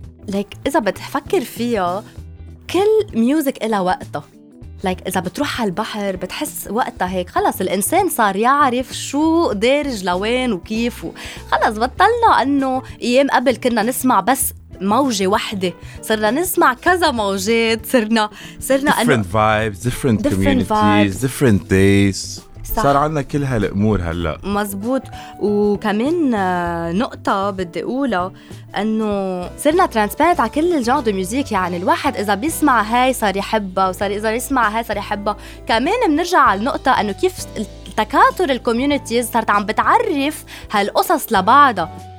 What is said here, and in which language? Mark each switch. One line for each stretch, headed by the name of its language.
Arabic: ليك إذا بتفكر فيها كل ميوزك إلى وقته، ليك إذا بتروح على البحر بتحس وقتها هيك خلص الإنسان صار يعرف شو دارج لوين وكيفه، خلص بطلنا أنه أيام قبل كنا نسمع بس موجة واحدة، صرنا نسمع كذا موجات، صرنا
English: different vibes different communities different days.
Arabic: صار عنا كل هالأمور هلا. مزبوط. وكمان نقطة بدي أقولها أنه صرنا ترانسبيرنت على كل الجانر دو ميوزيك، يعني الواحد إذا بيسمع هاي صار يحبها، وصار إذا يسمع هاي صار يحبها. كمان بنرجع على النقطة أنه كيف التكاثر الكوميونيتيز صارت عم بتعرف هالقصص لبعضها.